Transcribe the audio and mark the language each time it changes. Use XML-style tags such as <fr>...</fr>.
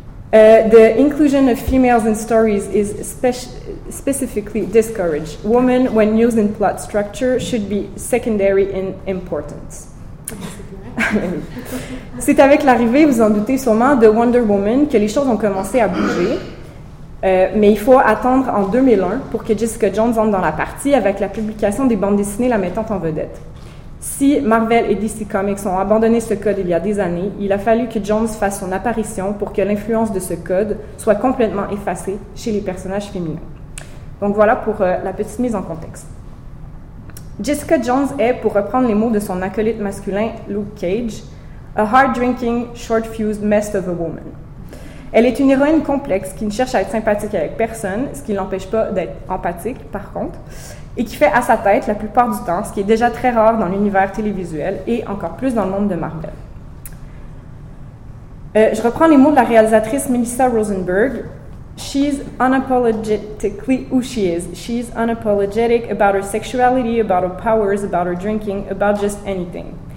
<en>The inclusion of females in stories is specifically discouraged. Women, when used in plot structure, should be secondary in importance.</en> <fr>C'est avec l'arrivée, vous en doutez sûrement, de Wonder Woman que les choses ont commencé à bouger. Mais il faut attendre en 2001 pour que Jessica Jones entre dans la partie avec la publication des bandes dessinées la mettant en vedette. Si Marvel et DC Comics ont abandonné ce code il y a des années, il a fallu que Jones fasse son apparition pour que l'influence de ce code soit complètement effacée chez les personnages féminins. Donc voilà pour la petite mise en contexte. Jessica Jones est, pour reprendre les mots de son acolyte masculin Luke Cage, «</fr> <en>a hard-drinking, short-fused mess of a woman ».</en> <fr>Elle est une héroïne complexe qui ne cherche à être sympathique avec personne, ce qui ne l'empêche pas d'être empathique, par contre, et qui fait à sa tête la plupart du temps, ce qui est déjà très rare dans l'univers télévisuel et encore plus dans le monde de Marvel. Je reprends les mots de la réalisatrice Melissa Rosenberg.</fr> <en>She's unapologetically who she is. She's unapologetic about her sexuality, about her powers, about her drinking, about just anything.</en>